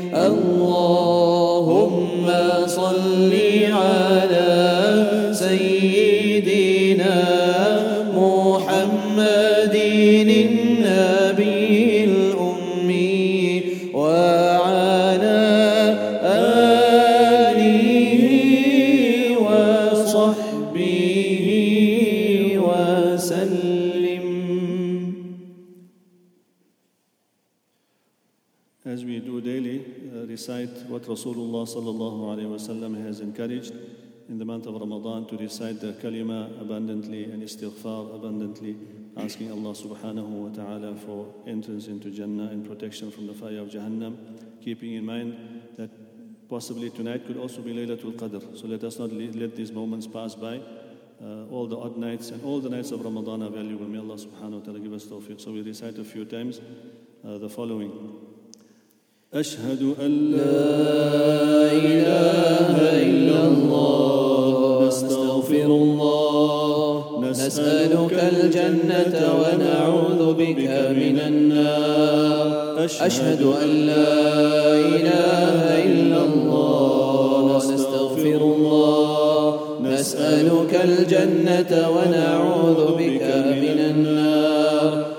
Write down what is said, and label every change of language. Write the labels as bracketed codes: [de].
[ar] اللهم صل على سيدنا محمد النبي الأمي وعلى آله وصحبه وسلم. [en] As we do daily, recite what Rasulullah sallallahu alayhi wa sallam has encouraged in the month of Ramadan, to recite the kalima abundantly and istighfar abundantly, asking Allah subhanahu wa ta'ala for entrance into Jannah and protection from the fire of Jahannam, keeping in mind that possibly tonight could also be Laylatul Qadr. So let us not let these moments pass by. All the odd nights and all the nights of Ramadan are valuable. May Allah subhanahu wa ta'ala give us tawfiq. So we recite a few times the following. [ar] أشهد أن لا إله إلا الله نستغفر الله نسألك الجنة ونعوذ بك من النار. أشهد أن لا إله إلا الله نستغفر الله نسألك الجنة ونعوذ بك من النار.